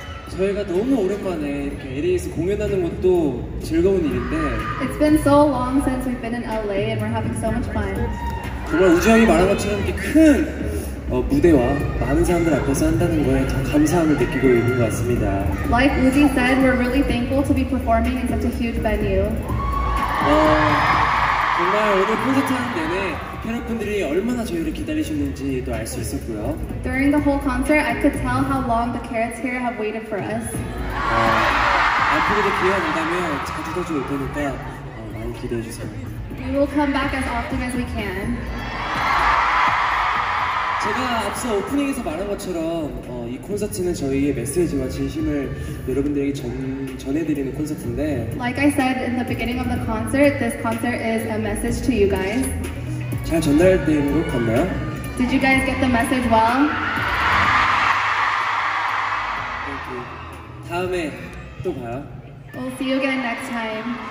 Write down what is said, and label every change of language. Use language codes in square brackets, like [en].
[ko] 저희가 너무 오랜만에 이렇게 LA에서 공연하는 것도 즐거운 일인데 [en] It's been so long since we've been in LA and we're having so much fun. [ko] 정말 우주 형이 말한 것처럼 이렇게 큰 무대와 많은 사람들 앞에서 한다는 거에 더 감사함을 느끼고 있는 것 같습니다. [en] Like Uzi said, we're really thankful to be performing in such a huge venue. [ko] 정말 오늘 콘서트 하는 내내 팬분들이 얼마나 저희를 기다리셨는지도 알 수 있었고요. [en] During the whole concert, I could tell how long the carrots here have waited for us. [ko] 앞으로도 기회가 된다면 자주 더 올 테니까 많이 기대해 주세요. [en] We will come back as often as we can. [ko] 제가 앞서 오프닝에서 말한 것처럼 이 콘서트는 저희의 메시지와 진심을 여러분들에게 전해드리는 콘서트인데 [en] Like I said in the beginning of the concert, this concert is a message to you guys. [ko] 잘 전달되는 것 같나요? [en] Did you guys get the message well? Thank you. [ko] 다음에 또 봐요. [en] We'll see you again next time.